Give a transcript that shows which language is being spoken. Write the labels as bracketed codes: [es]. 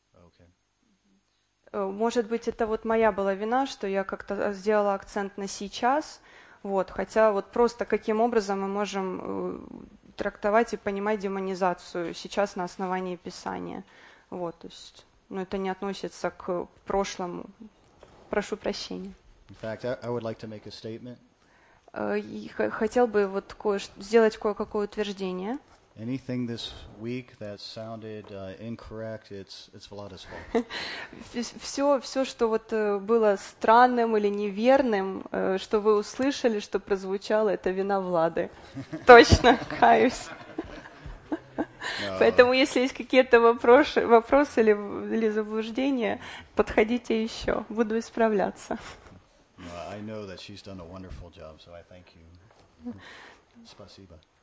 [en] Okay. [ru] Может быть, это вот моя была вина, что я как-то сделала акцент на сейчас, вот, хотя вот просто каким образом мы можем трактовать и понимать демонизацию сейчас на основании Писания. Вот, то есть, ну, это не относится к прошлому. Прошу прощения. [en] In fact, I would like to make a statement. [ru] Хотел бы вот сделать кое-какое утверждение. [en] Anything this week that sounded incorrect, it's Vlad's fault. [ru] Все, что вот было странным или неверным, что вы услышали, что прозвучало, это вина Влады. Точно, каюсь. Поэтому, если есть какие-то вопросы или заблуждения, подходите еще, буду исправляться. [en] I know that she's done a wonderful job, so I thank you. [ru] Спасибо.